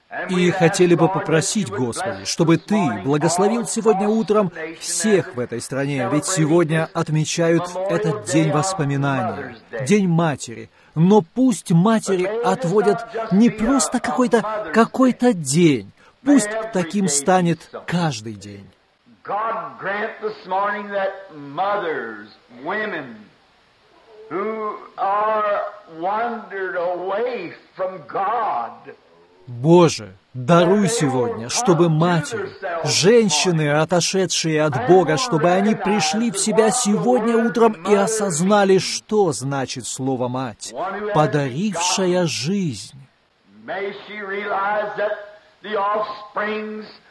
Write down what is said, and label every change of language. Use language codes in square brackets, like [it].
[ru] И хотели бы попросить, Господи, чтобы Ты благословил сегодня утром всех в этой стране, ведь сегодня отмечают этот день воспоминания, День Матери. Но пусть матери отводят не просто какой-то день, пусть таким станет каждый день. [en] God grant this morning that mothers, women, who are wandered away from God. [ru] Боже, даруй сегодня, чтобы матери, женщины, отошедшие от Бога, чтобы они пришли в себя сегодня утром и осознали, что значит слово «мать», подарившая жизнь. [en] May she realize that the offsprings.